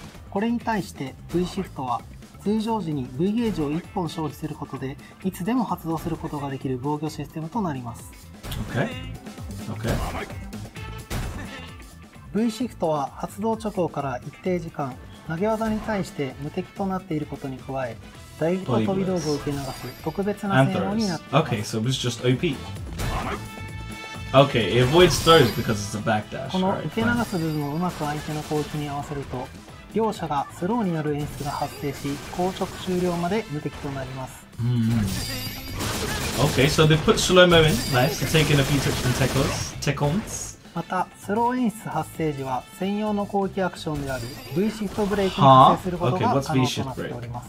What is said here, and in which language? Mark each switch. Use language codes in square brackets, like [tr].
[ja] これに対して V シフトは通常時に V ゲージを1本消費することでいつでも発動することができる防御システムとなります。 [en] OK [ja] V シフトは発動直後から一定時間投げ技に対して無敵となっていることに加え、大規模飛び道具を受け流す特別な性能になっています [en] 。 OK, so it was just OP. OK, it avoids throws because it's a backdash, right? [ja] この受け流す部分をうまく相手の攻撃に合わせると両者がスローになる演出が発生し、硬直終了まで無敵となります。 [en] Okay, so they put slow mo in. Nice. Taking a few touch from Tekons. [ja] また、スロー演出発生時は専用の攻撃アクションである V シフトブレイクに発生することが可能となっております。